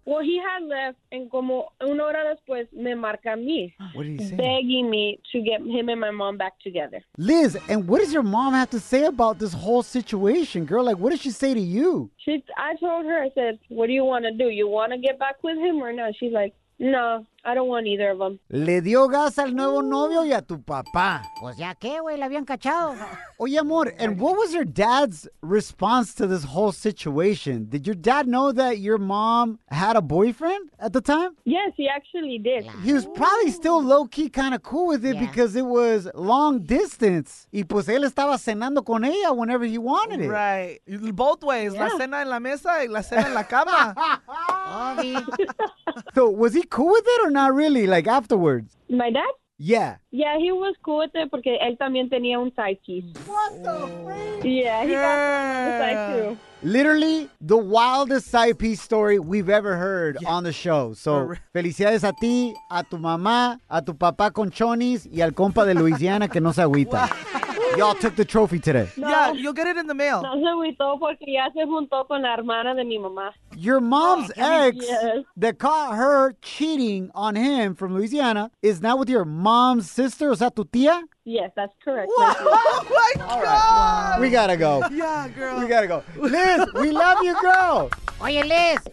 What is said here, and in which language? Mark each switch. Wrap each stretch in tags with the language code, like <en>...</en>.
<en>Well, he had left, and</en> <es>como una hora después, me marca a mí.</es> <en>What did he say? Begging me to get him and my mom back together. Liz, and what does your mom have to say about this whole situation, girl? Like, what does she say to you? I told her, I said, what do you want to do? You want to get back with him or not? She's like, no, I don't want either of them.</en> <es>Le dio gas al nuevo novio y a tu papá. Pues ya qué, güey, la habían cachado. Oye, amor,</es> <en>and what was your dad's response to this whole situation? Did your dad know that your mom had a boyfriend at the time? Yes, he actually did. He was probably still low-key kind of cool with it because it was long distance.</en> <es>Y pues él estaba cenando con ella</es> <en>whenever he wanted it. Right. Both ways. Yeah.</en> <es>La cena en la mesa y la cena en la cama.</es> <en>So was he cool with it or not really, like afterwards? My dad? Yeah. Yeah, he was cool with it because</en> <es>él también tenía un</es> <en>side piece. What the freak? Yeah, he got a side too. Literally the wildest side piece story we've ever heard on the show.</en> <es>So, felicidades a ti, a tu mamá, a tu papá con chonis y al compa de Louisiana que no se agüita.</es> <en>Y'all took the trophy today. No. Yeah, you'll get it in the mail.</en> <es>No se agüitó porque ya se juntó con la hermana de mi mamá.</es> <en>Your mom's ex that caught her cheating on him from Louisiana is now with your mom's sister? Is that</en> <es>tu tía?</es> <en>Yes, that's correct. Oh, my God. Right. Wow. We gotta go. Yeah, girl. We gotta go. Liz, we love you, girl.</en> <es>Oye, Liz.</es>